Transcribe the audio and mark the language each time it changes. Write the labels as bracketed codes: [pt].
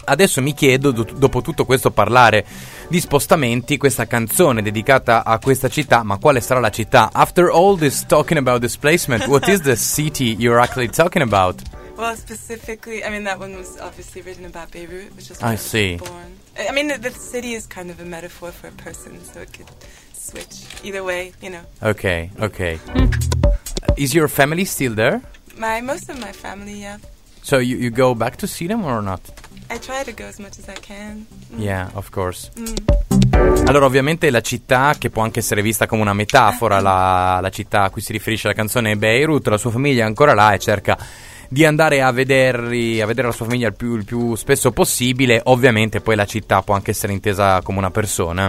[it] Adesso mi chiedo, dopo tutto questo parlare di spostamenti, questa canzone dedicata a questa città, ma quale sarà la città? [en] After all this talking about displacement, what is the city you're actually talking about? Well, specifically, I mean, that one was obviously written about Beirut, which is where I see. I was born. I mean, the city is kind of a metaphor for a person, so it could switch either way, you know. Okay, okay. Is your family still there? Most of my family, yeah. So you go back to see them or not? I try to go as much as I can. Yeah, of course. [it] Allora, ovviamente la città, che può anche essere vista come una metafora, la città a cui si riferisce la canzone è Beirut, la sua famiglia è ancora là e cerca di andare a vedere la sua famiglia il più spesso possibile. Ovviamente poi la città può anche essere intesa come una persona.